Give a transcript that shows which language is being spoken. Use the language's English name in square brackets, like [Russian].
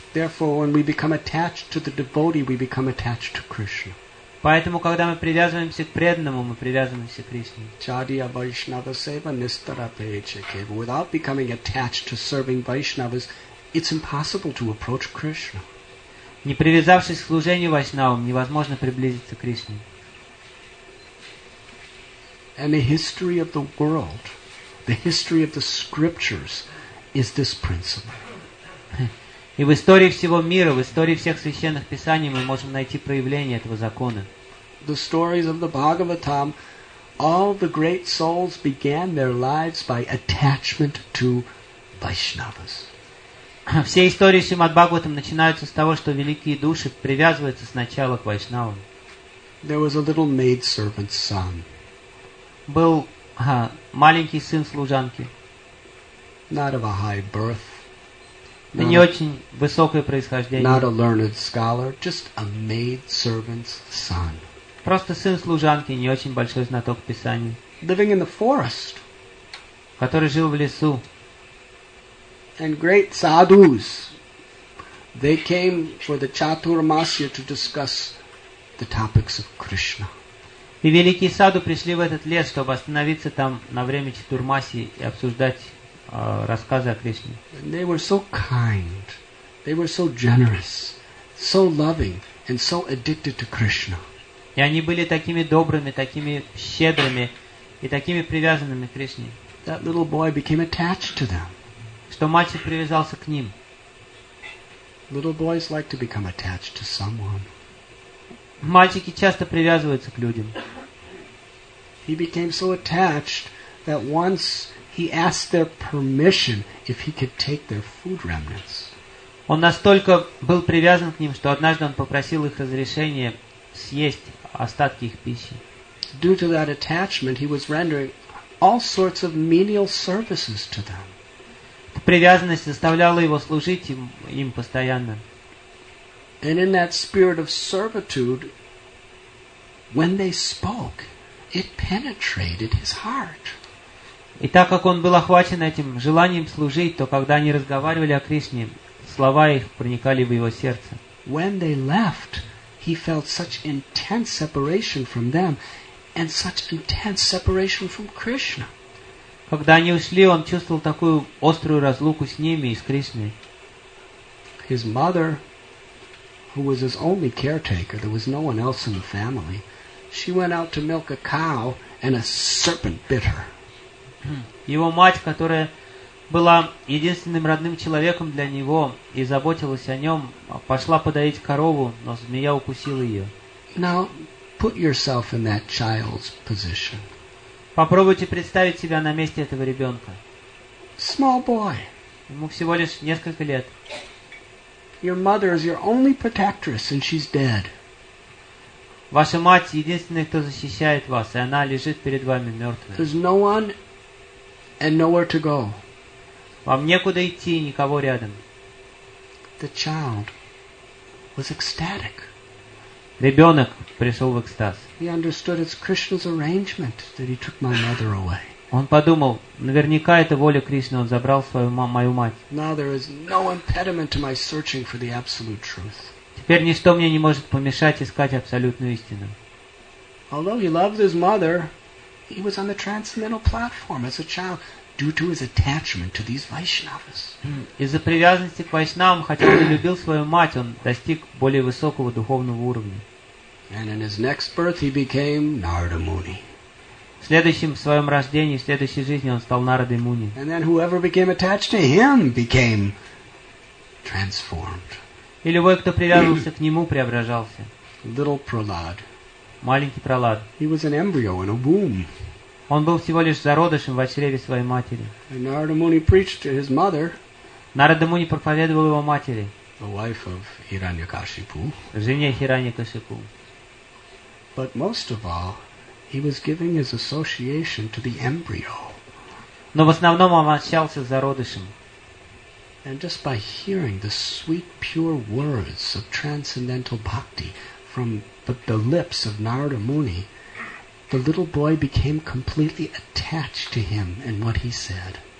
[English] Therefore, when we become attached to the devotee, we become attached to Krishna. [Russian] Поэтому, когда мы привязываемся к преданному, мы привязываемся к Кришне. [Bangla] Чадия Вайшнава Сева Нистарапечеке. [English] Without becoming attached to serving Vaishnavas, it's impossible to approach Krishna. [Russian] Не привязавшись к служению Вайшнавам, невозможно приблизиться к Кришне. [English] And the history of the world, the history of the scriptures, is this principle. [Russian] И в истории всего мира, в истории всех священных писаний мы можем найти проявление этого закона. [English] The stories of the Bhagavatam, all the great souls began their lives by attachment to Vaishnavas. [Russian] Все истории Шримад-Бхагаватам начинаются с того, что великие души привязываются сначала к Вайшнавам. [English] There was a little maidservant's son. [Russian] Был маленький сын служанки. [English] Not of a high birth. [Russian] Да не очень высокое происхождение. [English] Not a learned scholar, just a maidservant's son. [Russian] Просто сын служанки, не очень большой знаток писаний. [English] Living in the forest. [Russian] Который жил в лесу. [English] And great sadhus, they came for the chaturmasya to discuss the topics of Krishna. [Russian] И великие саду пришли в этот лес, чтобы остановиться там на время чатурмасьи и обсуждать рассказы о Кришне. [English] And they were so kind, they were so generous, so loving, and so addicted to Krishna. [Russian] И они были такими добрыми, такими щедрыми и такими привязанными к Кришне. [English] That little boy became attached to them. [Russian] Что мальчик привязался к ним. [English] Little boys like to become attached to someone. [Russian] Мальчики часто привязываются к людям. [English] He became so attached that once he asked their permission if he could take their food remnants. [Russian] Он настолько был привязан к ним, что однажды он попросил их разрешения съесть остатки их пищи. [English] Due to that attachment, he was rendering all sorts of menial services to them. [Russian] Привязанность заставляла его служить им постоянно. [English] And in that spirit of servitude, when they spoke, it penetrated his heart. [Russian] И так как он был охвачен этим желанием служить, то когда они разговаривали о Кришне, слова их проникали в его сердце. [English] When they left, he felt such intense separation from them and such intense separation from Krishna. [Russian] Когда они ушли, он чувствовал такую острую разлуку с ними и с Кришной. [English] His mother, who was his only caretaker, there was no one else in the family, she went out to milk a cow and a serpent bit her. [Russian] Его мать, которая была единственным родным человеком для него и заботилась о нем, пошла подоить корову, но змея укусила ее. [English] Now, put yourself in that child's position. [Russian] Попробуйте представить себя на месте этого ребенка. [English] Small boy. [Russian] Ему всего лишь несколько лет. [English] Your mother is your only protectress, and she's dead. [Russian] Ваша мать единственная, кто защищает вас, и она лежит перед вами мертвой. [English] There's no one and nowhere to go. [Russian] Вам некуда идти, никого рядом. [English] The child was ecstatic. [Russian] Ребенок пришел в экстаз. [English] He understood it's Krishna's arrangement that he took my mother away. [Russian] Он подумал, наверняка это воля Кришны, он забрал свою мою мать. [English] Now there is no impediment to my searching for the absolute truth. [Russian] Теперь ничто мне не может помешать искать абсолютную истину. [English] Although he loved his mother, he was on the transcendental platform as a child due to his attachment to these Vaishnavas. [Russian] Из-за привязанности к вайшнавам, хотя он и любил свою мать, он достиг более высокого духовного уровня. [English] And in his next birth he became Narada Muni. [Russian] В следующем своем рождении, в следующей жизни он стал Нарадой Муни. [English] And then whoever became attached to him became transformed. [Russian] И любой, кто привязывался к нему, преображался. [English] Little Prahlad. [Russian] Маленький Прохлад. [English] He was an embryo in a womb. [Russian] Он был всего лишь зародышем в чреве своей матери. [English] And Narada Muni preached to his mother. [Russian] Нарада Муни проповедовал его матери. [English] The wife of Hiranyakashipu. [Russian] Жене Хираньякашипу. [English] But most of all, he was giving his association to the embryo. [Russian] Но в основном он общался с зародышем. [English] And just by hearing the sweet, pure words of transcendental bhakti from the lips of Narada Muni, the little boy became completely attached to him and what he said.